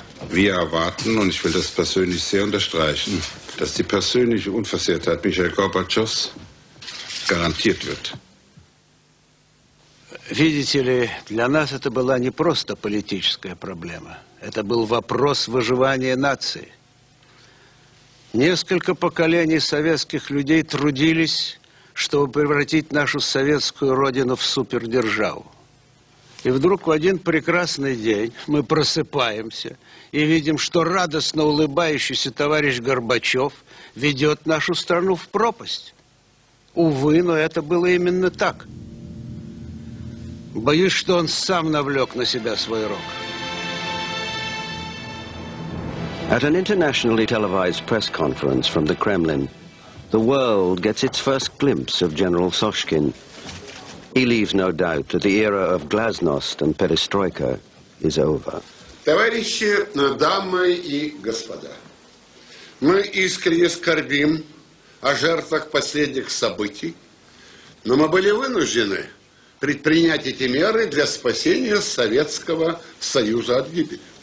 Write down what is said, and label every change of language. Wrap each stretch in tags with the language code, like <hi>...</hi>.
<de>Wir erwarten, und ich will das persönlich sehr unterstreichen, dass die persönliche Unversehrtheit Michail Gorbatschows garantiert wird.</de> <ru>Видите ли, для нас это была не просто политическая проблема. Это был вопрос выживания нации. Несколько поколений советских людей трудились, чтобы превратить нашу советскую родину в супердержаву. И вдруг в один прекрасный день мы просыпаемся и видим, что радостно улыбающийся товарищ Горбачев ведет нашу страну в пропасть. Увы, но это было именно так. Боюсь, что он сам навлек на себя свой рок.</ru> <en>At an internationally televised press conference from the Kremlin, the world gets its first glimpse of General Soshkin. He leaves no doubt that the era of glasnost and perestroika is over.</en> <ru>Товарищи, дамы и господа, мы искренне скорбим о жертвах последних событий, но мы были вынуждены предпринять эти меры для спасения Советского Союза от гибели.</ru>